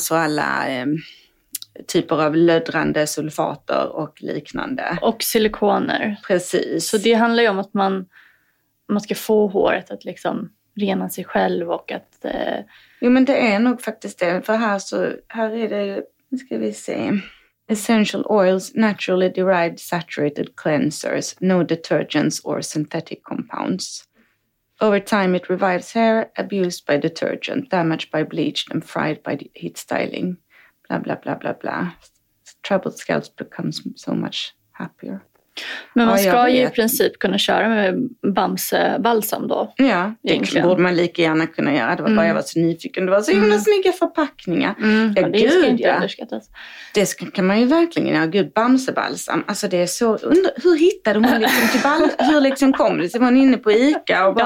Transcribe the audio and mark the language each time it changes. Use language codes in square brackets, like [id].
[sv] Alltså alla typer av löddrande sulfater och liknande. Och silikoner. Precis. Så det handlar ju om att man ska få håret att liksom rena sig själv och att... Jo, men det är nog faktiskt det. För här så här är det... Nu ska vi se. [en] Essential oils, naturally derived saturated cleansers. No detergents or synthetic compounds. Over time it revives hair, abused by detergent, damaged by bleached and fried by heat styling. Bla, bla, bla, bla, bla. Troubled scalp becomes so much happier. [sv] Men man ska ju i princip kunna köra med Bamse balsam då. Ja, egentligen. Det borde man lika gärna kunna göra. Det var bara jag var så nyfiken. Det var så himla snygga förpackningar. Mm. Ja, det gud, ska inte underskattas. Det kan man ju verkligen göra. Gud, Bamse balsam. Alltså det är så... Hur hittade hon liksom till balsam? Hur liksom kom det? Så var hon inne på Ica och bara...